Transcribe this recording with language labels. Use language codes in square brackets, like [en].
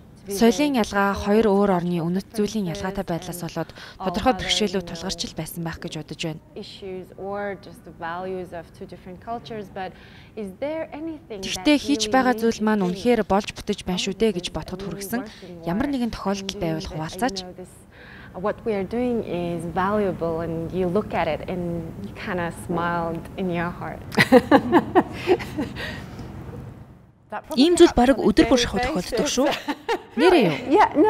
[mn] Соёлын ялгаа, хоёр өөр орны үнэт зүйлийн ялгаатай байдлаас болоод тодорхой бэрхшээлүүд тулгарч байсан байх гэж бодож байна. Гэхдээ хийж байгаа зүйл маань үнэхээр болж бүтэж байна шүү дээ гэж бодход хүргэсэн ямар нэгэн тохиолдол байвал хуваалцаач. [en] What we are doing is valuable and you look at it and you kind of smiled in your heart. [mn] Ийм зүйл баг өдөр бүр шахуу тохиолддог шүү. Нэрээ юу?